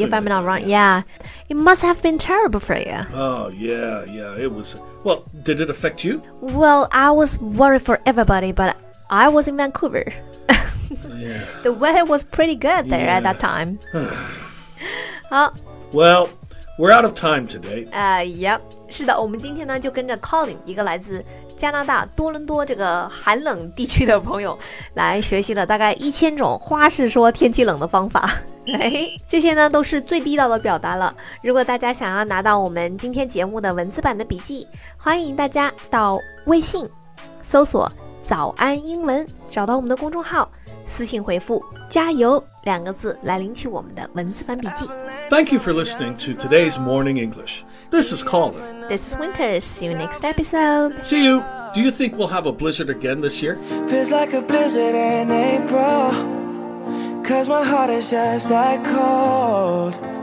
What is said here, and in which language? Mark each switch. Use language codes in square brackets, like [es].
[en] If I'm not wrong, yeah. It must have been terrible for you. Oh, yeah, yeah. It was. Well, did it affect you? Well, I was worried for everybody, but I was in Vancouver. Yeah. The weather was pretty good there at that time. well, we're out of time today. Yep. [zh] 是的，我们今天呢就跟着 Colin, 一个来自加拿大多伦多这个寒冷地区的朋友来学习了大概1000种花式说天气冷的方法。这些呢都是最地道的表达了。如果大家想要拿到我们今天节目的文字版的笔记，欢迎大家到微信搜索早安英文，找到我们的公众号。私信回复加油两个字来领取我们的文字版笔记 [en] Thank you for listening to today's Morning English This is Colin. This is Winter. See you next episode. See you. Do you think we'll have a blizzard again this year? Feels like a blizzard in April. Cause my heart is just that cold.